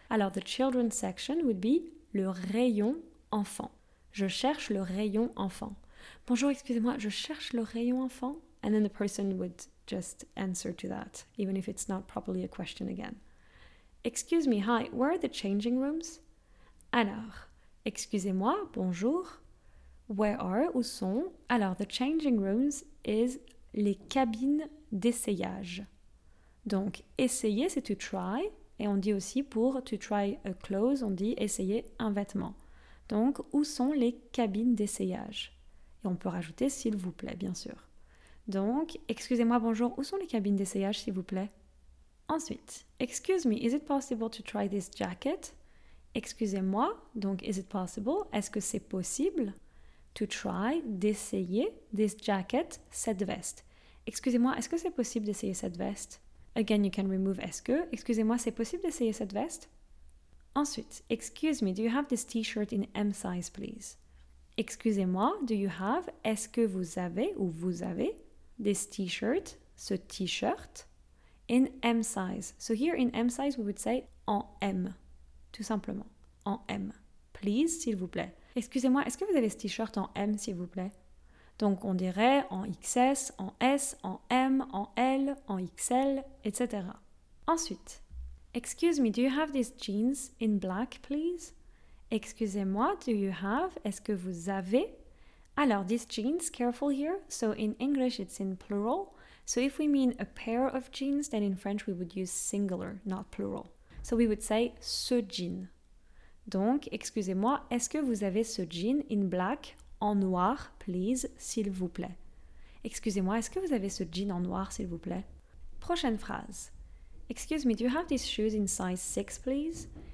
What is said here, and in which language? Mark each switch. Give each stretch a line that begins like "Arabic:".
French: Alors,
English: the children's section would be
French: le rayon enfant. Je cherche le rayon enfant. Bonjour, excusez-moi, je cherche le rayon enfant.
English: And then the person would just answer to that, even if it's not properly a question again. Excuse me, hi, where are the changing rooms?
French: Alors, excusez-moi, bonjour,
English: where are,
French: où sont? Alors,
English: the changing rooms is
French: les cabines d'essayage. Donc, essayer, c'est
English: to try,
French: et on dit aussi pour
English: to try a clothes,
French: on dit essayer un vêtement. Donc, où sont les cabines d'essayage? Et on peut rajouter s'il vous plaît, bien sûr. Donc, excusez-moi, bonjour, où sont les cabines d'essayage, s'il vous plaît? Ensuite,
English: excuse me, is it possible to try this jacket?
French: Excusez-moi, donc
English: is it possible,
French: est-ce que c'est possible
English: to try,
French: d'essayer
English: this jacket,
French: cette veste? Excusez-moi, est-ce que c'est possible d'essayer cette veste?
English: Again, you can remove
French: est-ce que. Excusez-moi, c'est possible d'essayer cette veste? Ensuite,
English: excuse me, do you have this t-shirt in M size, please?
French: Excusez-moi,
English: do you have,
French: est-ce que vous avez ou vous avez
English: this t-shirt,
French: ce t-shirt,
English: in M size? So here in M size, we would say
French: en M, tout simplement, en M.
English: Please,
French: s'il vous plaît. Excusez-moi, est-ce que vous avez ce t-shirt en M, s'il vous plaît? Donc on dirait en XS, en S, en M, en L, en XL, etc. Ensuite,
English: excuse me, do you have these jeans in black, please?
French: Excusez-moi,
English: do you have,
French: est-ce que vous avez? Alors,
English: these jeans, careful here. So in English, it's in plural. So if we mean a pair of jeans, then in French, we would use singular, not plural. So we would say
French: ce jean. Donc, excusez-moi, est-ce que vous avez ce jean
English: in black,
French: en noir,
English: please,
French: s'il vous plaît? Excusez-moi, est-ce que vous avez ce jean en noir, s'il vous plaît? Prochaine phrase.
English: Excuse me, do you have these shoes in size 6, please?